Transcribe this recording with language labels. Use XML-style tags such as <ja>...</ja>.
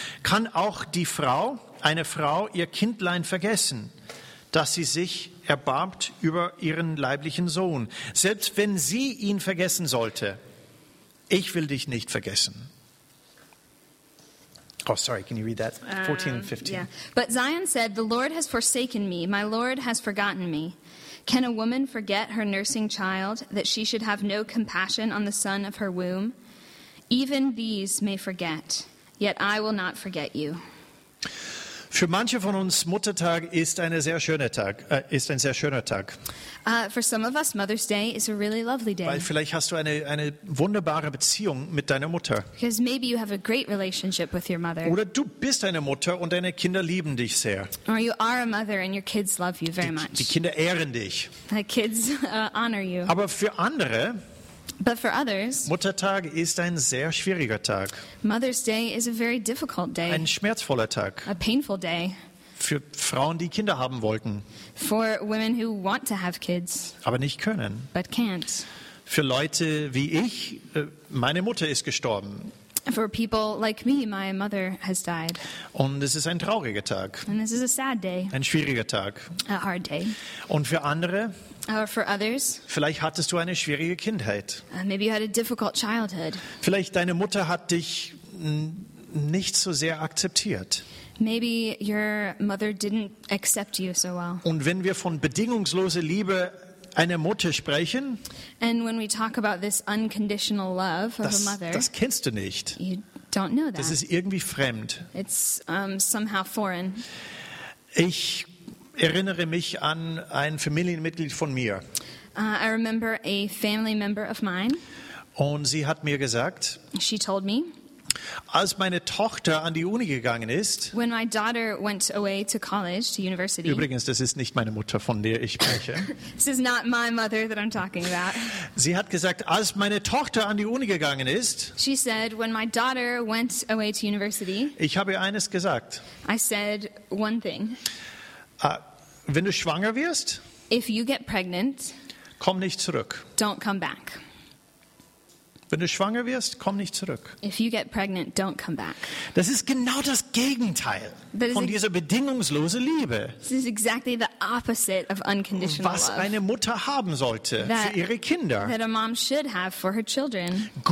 <de>Kann auch die Frau, eine Frau, ihr Kindlein vergessen, dass sie sich erbarmt über ihren leiblichen Sohn? Selbst wenn sie ihn vergessen sollte, ich will dich nicht vergessen.</de> <en>Oh, sorry, can you read that? 14 and 15. Yeah. But Zion said, the Lord has forsaken me. My Lord has forgotten me. Can a woman forget her nursing child, that she should have no compassion on the son of her womb? Even these may forget, yet I will not forget you.</en> <de>Für manche von uns Muttertag ist ein sehr schöner Tag.</de> <en>For some of us Mother's Day is a really lovely day.</en> <de>Weil vielleicht hast du eine wunderbare Beziehung mit deiner Mutter.</de> <en>Because maybe you have a great relationship with your mother.</en> <de>Oder du bist eine Mutter und deine Kinder lieben dich sehr.</de> <en>Or you are a mother and your kids love you very much.</en> <de>Die Kinder ehren dich.</de> <en>The kids honor you.</en> <de>Aber für andere.</de> <en>But for others,</en> <de>Muttertag ist ein sehr schwieriger Tag.</de> <en>Mother's Day is a very difficult day.</en> <de>Ein schmerzvoller Tag.</de> <en>A painful day.</en> <de>Für Frauen, die Kinder haben wollten.</de> <en>For women who want to have kids.</en> <de>Aber nicht können.</de> <en>But can't.</en> <de>Für Leute wie ich, meine Mutter ist gestorben.</de> <en>For people like me, my mother has died.</en> <de>Und es ist ein trauriger Tag.</de> <en>And this is a sad day.</en> <de>Ein schwieriger Tag.</de> <en>A hard day.</en> <de>Und für andere?</de> <en>For others,</en> <de>vielleicht hattest du eine schwierige Kindheit.</de> <en>Maybe you had a difficult childhood.</en> <de>Vielleicht deine Mutter hat dich nicht so sehr akzeptiert.</de> <en>Maybe your mother didn't accept you so well.</en> <de>Und wenn wir von bedingungsloser Liebe einer Mutter sprechen,</de> <en>and when we talk about this unconditional love of a mother,</en> <de>das kennst du nicht.</de> <en>You don't know that.</en> <de>Das ist irgendwie fremd.</de> <en>It's somehow foreign.</en> <de>Ich erinnere mich an ein Familienmitglied von mir.</de> <en>I remember a family member of mine.</en> <de>Und sie hat mir gesagt,</de> <en>she told me,</en> <de>als meine Tochter an die Uni gegangen ist,</de> <en>when my daughter went away to college, to university,</en> <de>übrigens, das ist nicht meine Mutter, von der ich spreche.</de> <en>This is not my mother that I'm talking about.</en> <de>Sie hat gesagt, als meine Tochter an die Uni gegangen ist,</de> <en>she said, when my daughter went away to university,</en> <de>ich habe ihr eines gesagt.</de> <en>I said one thing.</en> <de>Wenn du schwanger wirst,</de> <en>if you get pregnant,</en> <de>komm nicht zurück.</de> <en>Don't come back.</en> <de>Wenn du schwanger wirst, komm nicht zurück.</de> <en>If you get pregnant, don't come back.</en> <de>Das ist genau das Gegenteil von dieser bedingungslosen Liebe.</de> <en>This is exactly the opposite of unconditional</en> <de>was</de> <en>love.</en> <de>Was eine Mutter haben sollte für ihre Kinder.</de> <en>That a mom should have for her children.</en>